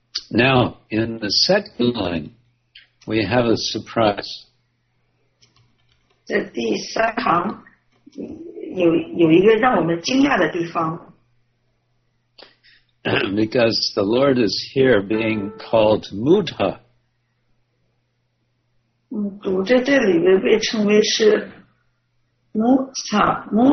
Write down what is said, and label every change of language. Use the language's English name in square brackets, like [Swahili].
[English] Now, in the second line, we have a surprise. [Chinese] 在第三行有一个让我们惊讶的地方。 [English] Because the Lord is here being called Mudha. [Chinese] 主在这里面被称为是 Mudha.